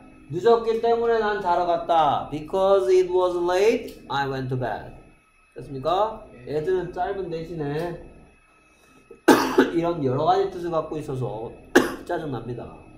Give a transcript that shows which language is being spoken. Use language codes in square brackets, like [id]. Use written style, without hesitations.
[ko] 늦었기 때문에 난 자러 갔다. [en] Because it was late, I went to bed. [ko] 됐습니까? 애들은 짧은 대신에 이런 여러 가지 뜻을 갖고 있어서 짜증납니다.